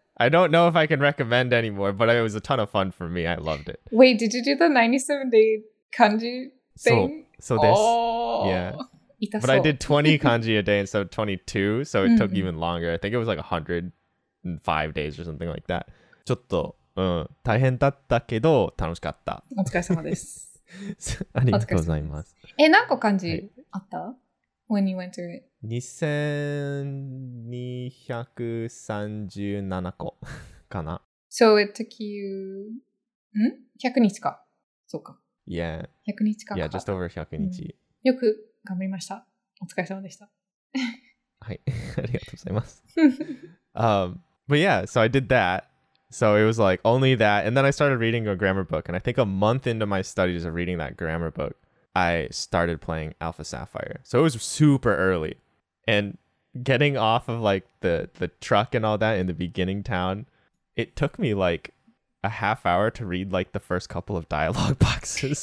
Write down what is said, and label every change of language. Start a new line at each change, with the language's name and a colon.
English: I don't know if I can recommend anymore, but it was a ton of fun for me. I loved it. Wait, did you do the 97-day kanji thing? So this. Oh. Yeah.
Japanese: Itasou.
English: But I did 20 kanji a day instead of 22, so it took even longer. I think it was like 105 days or something like that.
Japanese: ちょっと、うん、大変だったけど楽しかった。お疲れ様です。ありがとうございます。え、何個漢字あった?
English: When you went through it?
Japanese: 2237個かな。
English: So it took you... ん ?
Japanese: 100 日か。そうか。
English: Yeah.
Japanese: 100日か。
English: Yeah, just over 100日、うん。
Japanese: よく頑張りました。お疲れ様でした。はい。ありがとうございます。
English: But yeah, so I did that. So it was like only that. And then I started reading a grammar book. And I think a month into my studies of reading that grammar book, I started playing Alpha Sapphire. So it was super early. And getting off of, like, the truck and all that in the beginning town, it took me, like, a half hour to read, like, the first couple of dialogue boxes.